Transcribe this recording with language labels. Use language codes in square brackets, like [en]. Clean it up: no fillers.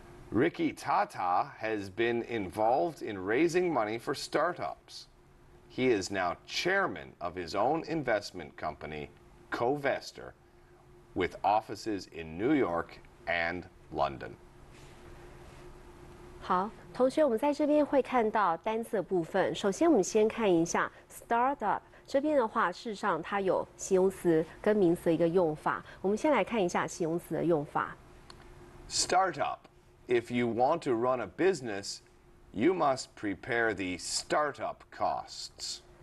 [en] Ricky Tata has been involved in raising money for startups. He is now chairman of his own investment company, Covestor, with offices in New York and London. [zh] 好，同学，我们在这边会看到单字的部分。首先，我们先看一下 startup 这边的话，事实上它有形容词跟名词的一个用法。我们先来看一下形容词的用法。 [en] Startup. If you want to run a business, you must prepare the startup costs.